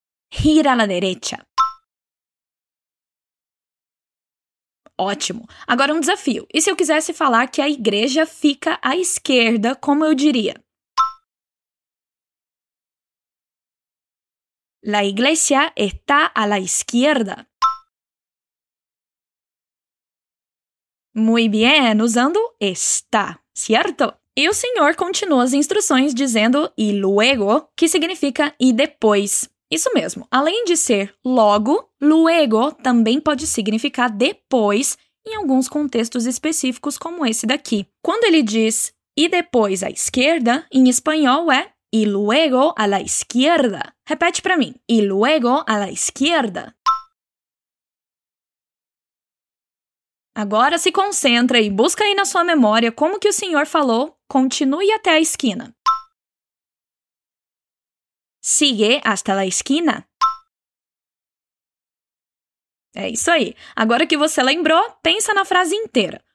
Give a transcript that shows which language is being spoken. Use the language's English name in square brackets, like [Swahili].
[Spanish] Gira a la derecha. [Portuguese] Ótimo. Agora um desafio. E se eu quisesse falar que a igreja fica à esquerda, como eu diria? [Spanish] La iglesia está a la izquierda. Muy bien, [Portuguese] usando está, certo? E o senhor continua as instruções dizendo [Spanish] y luego, [Portuguese] que significa e depois. Isso mesmo, além de ser logo, luego também pode significar depois em alguns contextos específicos como esse daqui. Quando ele diz e depois à esquerda, em espanhol é [Spanish] y luego a la izquierda. [Portuguese] Repete para mim, [Spanish] y luego a la izquierda. [Portuguese] Agora se concentra e busca aí na sua memória como que o senhor falou, continue até a esquina. [Spanish] Sigue hasta la esquina. [Portuguese] É isso aí. Agora que você lembrou, pensa na frase inteira.